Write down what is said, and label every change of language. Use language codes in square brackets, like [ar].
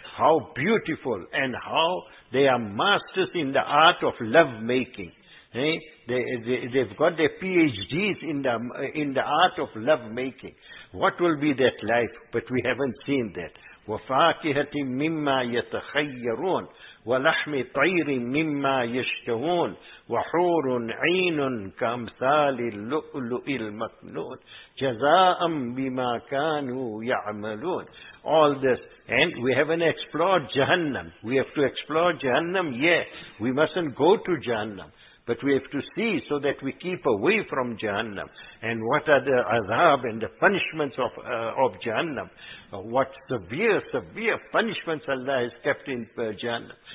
[en] How beautiful, and how they are masters in the art of love making. They've got their PhDs in the art of love making. What will be that life? But we haven't seen that. [ar] وَفَاكِهَةٍ مِمَّا يَتَخَيَّرُونَ ولحم طير مما يشتهون وحور عين كأمثال اللؤلؤ المكنون جزاء بما كانوا يعملون. [en] All this. And we haven't explored Jahannam. We have to explore Jahannam, yes. We mustn't go to Jahannam. But we have to see so that we keep away from Jahannam. And what are the azab and the punishments of Jahannam? What severe punishments Allah has kept in Jahannam.